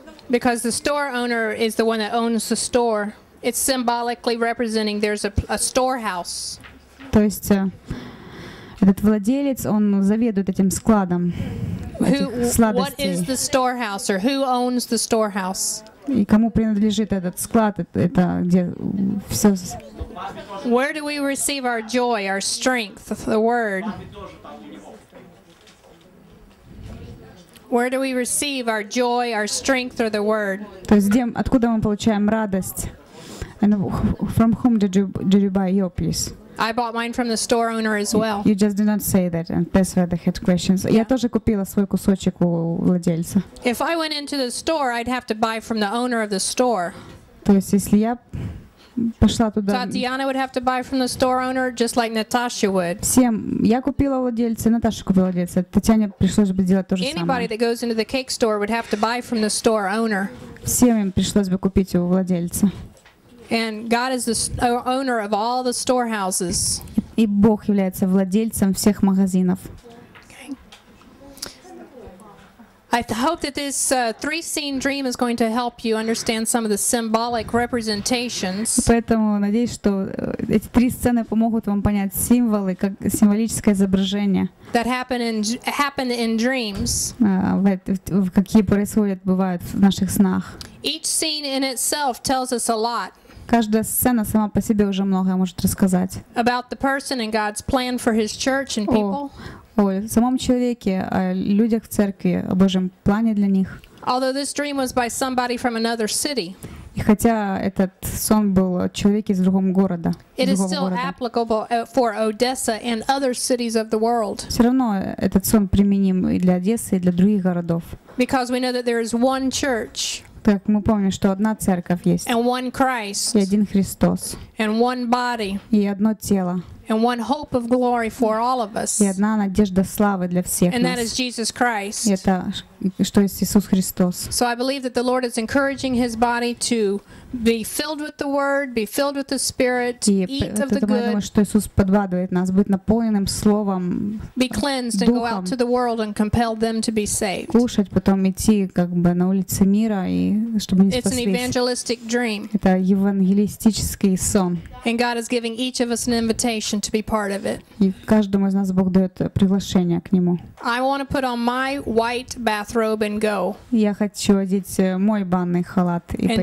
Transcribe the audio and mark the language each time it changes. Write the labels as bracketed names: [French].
[English] Because the store owner is the one that owns the store. It's symbolically representing there's a storehouse. [Russian] То есть этот владелец, он заведует этим складом. [English] What is the storehouse or who owns the storehouse? [Russian] И кому принадлежит этот склад? Это где все? [English] Where do we receive our joy, our strength, the word? Where do we receive our joy, our strength, or the word? [Russian] То есть где, откуда мы получаем радость? [English] And from whom did you buy your piece? I bought mine from the store owner as well. You just did not say that, and that's why they had questions. [Russian] Yeah. Я тоже купила свой кусочек у владельца. [English] If I went into the store, I'd have to buy from the owner of the store. [Russian] То есть если я пошла туда. [English] So Татьяна would have to buy from the store owner, just like Natasha would. [Russian] Всем, я купила владельца, Наташа купила владельца. Татьяне пришлось бы делать то же самое. [English] Anybody that goes into the cake store would have to buy from the store owner. [Russian] Всем им пришлось бы купить у владельца. [English] And God is the owner of all the storehouses. [Russian] И Бог является владельцем всех магазинов. [English] I hope that this three-scene dream is going to help you understand some of the symbolic representations. [Russian] Поэтому надеюсь, что эти три сцены помогут вам понять символы, как символическое изображение. [English] That happen in dreams. [Russian] Какие происходят бывают в наших снах. [English] Each scene in itself tells us a lot. [Russian] Каждая сцена сама по себе уже многое может рассказать. [English] About the person and God's plan for His church and people. [Russian] О самом человеке, о людях в церкви, о Божьем плане для них. [English] Although this dream was by somebody from another city. [Russian] И хотя этот сон был о человеке из другого города. [English] It is still applicable for Odessa and other cities of the world. [Russian] Все равно этот сон применим и для Одессы, и для других городов. [English] Because we know that there is one church. [Russian] Так мы помним, что одна церковь есть. [English] And one Christ. [Russian] И один Христос. [English] And one body. [Russian] И одно тело. [English] And one hope of glory for all of us. [Russian] И одна надежда славы для всех нас. [English] And that is Jesus Christ. [Russian] И это что есть Иисус Христос. [English] So I believe that the Lord is encouraging His body to be filled with the Word, be filled with the Spirit, eat of the good. [Russian] Я думаю, что Иисус подбадривает нас быть наполненным словом, [English] be cleansed and go out to the world and compel them to be saved. [Russian] Кушать, потом идти как бы на улицы мира и чтобы они спаслись. [English] It's an evangelistic dream. [Russian] Это евангелистический сон. [English] And God is giving each of us an invitation to be part of it. [Russian] И каждому из нас Бог дает приглашение к нему. [English] I want to put on my white bathrobe and go. [Russian] Я хочу одеть мой банный халат и пойти.